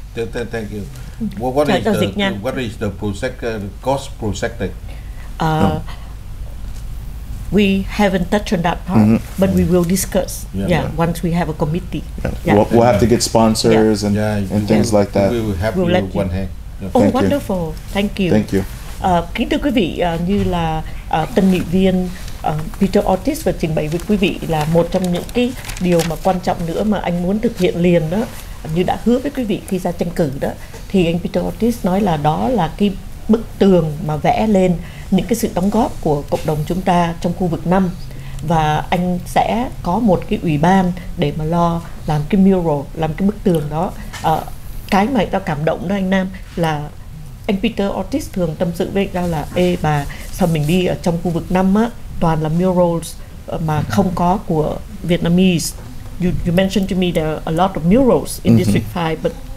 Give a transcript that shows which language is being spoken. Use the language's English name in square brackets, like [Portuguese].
[English] Thank you. Well, what is the project, cost project? We haven't touched on that part, but we will discuss once we have a committee. Yeah. Yeah. We'll have to get sponsors and things like that. We will have we'll you let one you. Hand. Yeah. Oh, thank wonderful. You. Thank you. Thank you. [Vietnamese] Kính thưa quý vị, như là tân nghị viên Peter Ortiz vừa trình bày với quý vị, là một trong những cái điều mà quan trọng nữa mà anh muốn thực hiện liền đó, như đã hứa với quý vị khi ra tranh cử đó, thì anh Peter Ortiz nói là đó là cái bức tường mà vẽ lên những cái sự đóng góp của cộng đồng chúng ta trong khu vực 5, và anh sẽ có một cái ủy ban để mà lo làm cái mural, làm cái bức tường đó. Cái mà tao cảm động đó anh Nam, là anh Peter Ortiz thường tâm sự với anh ta là ê bà, sao mình đi ở trong khu vực 5 á, toàn là murals mà không có của Vietnamese. [English] You mentioned to me there are a lot of murals in District 5, but